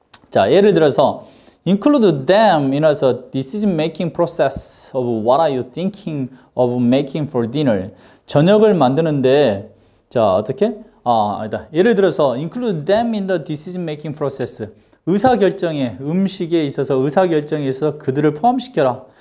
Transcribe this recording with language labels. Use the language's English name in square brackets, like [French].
[Korean] 자 예를 들어서 [English] Include them in as a decision-making process of what are you thinking of making for dinner? [Korean] 저녁을 만드는데, 자, 어떻게? 아, 아니다. 예를 들어서, [English] include them in the decision-making process. [Korean] 의사결정에, 음식에 있어서, 의사결정에 있어서 그들을 포함시켜라.